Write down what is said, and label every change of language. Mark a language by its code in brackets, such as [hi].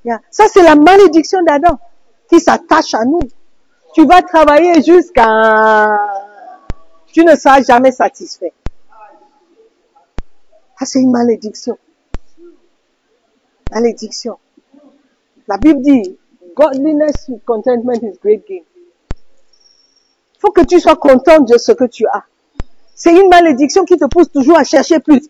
[fr] Ça, c'est la malédiction d'Adam qui s'attache à nous. Tu vas travailler jusqu'à... Tu ne seras jamais satisfait. Ah, c'est une malédiction. Malédiction. La Bible dit, [en] godliness with contentment is great gain. [fr] Il faut que tu sois content de ce que tu as. C'est une malédiction qui te pousse toujours à chercher plus.